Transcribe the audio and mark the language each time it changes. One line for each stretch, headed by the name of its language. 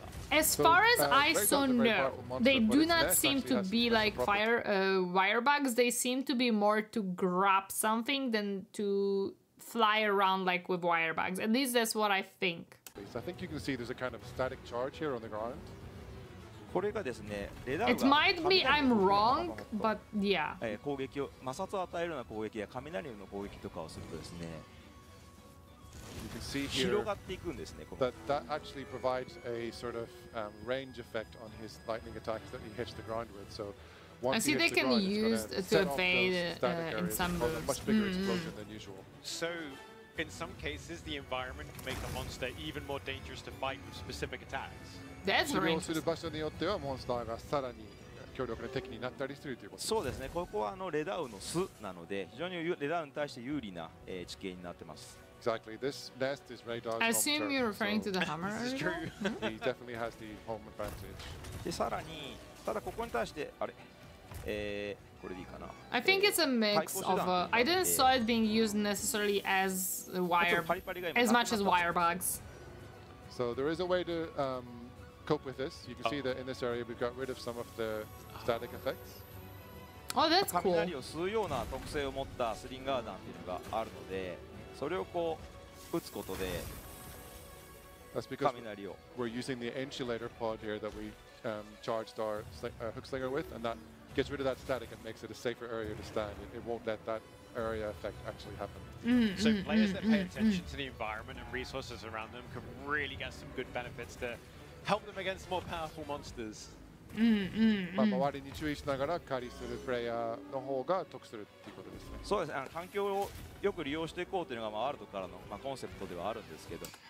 English: As far as I saw, no. They do not seem to be like fire wire bags. They seem to be more to grab something than to fly around like with wire bags. At least that's what I think. I think you can see there's a kind of static charge here on the ground. It might be I'm wrong, but yeah.
Japanese: 攻撃を摩擦を与えるような攻撃や雷の攻撃とかをするとですね。
English: You can see here that actually provides a sort of range effect on his lightning attacks that he hits the ground with. So once I see they can use to evade in some moves. Much bigger explosion than usual. So in some cases, the environment can make the monster even more dangerous to fight with specific attacks. That's very interesting.
Japanese: する場所によってはモンスターがさらに強力な敵になったりするということ。そうですね。ここはレダウの巣なので非常にレダウに対して有利な地形になってます。
English: Exactly. This nest is Radar's. I assume you're referring to the hammer. This is true. He definitely has the home advantage.
Japanese: でさらに、ただここに対してあれ。
English: I think it's a mix of. I didn't saw it being used necessarily as wire, as much as wire bugs. So there is a way to cope with this. You can see that in this area we've got rid of some of the static effects. Oh, that's cool.
Japanese: 雷を吸うような特性を持ったスリンガーダンっていうのがあるので、それをこう打つことで、
English: That's because we're using the insulator pod here that we charged our hook slinger with, and that. Gets rid of that static and makes it a safer area to stand. It won't let that area effect actually happen. So players that pay attention to the environment and resources around them can really get some good benefits to help them against more powerful monsters.
Japanese: まあ周りに注意しながら狩りするプレイヤーの方が得するっていうことですね。そうですね。環境をよく利用していこうというのがまあワールドからのまあコンセプトではあるんですけど。